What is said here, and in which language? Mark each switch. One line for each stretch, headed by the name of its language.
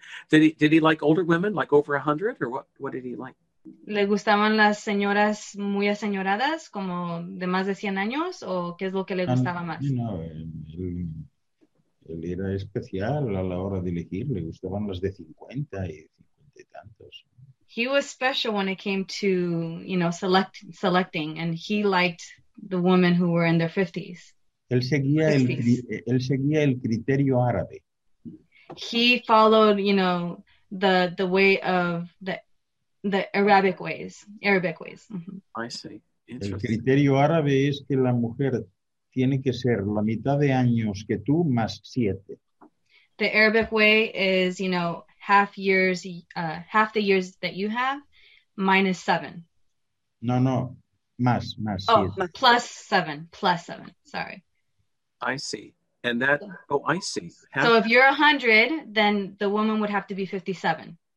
English: Did he like older women, like over 100, or what did he like?
Spanish: ¿Le gustaban las señoras muy aseñoradas, como de más de 100 años, o qué es lo que le gustaba más? No, él era especial a la hora de elegir, le gustaban las de 50 y 50 y tantos.
English: He was special when it came to, you know, selecting, and he liked the women who were in their 50s.
Spanish: Él seguía el criterio árabe.
English: He followed, you know, the way of the Arabic ways. Mm-hmm. I see. Interesting.
Spanish: El criterio árabe es que la mujer tiene que ser la mitad de años que tú más 7.
English: The Arabic way is, you know, half the years that you have minus 7.
Spanish: No, no. Más 7.
English: Oh, plus 7. Sorry. I see. And that, oh, I see. So if you're 100, then the woman would have to be 57.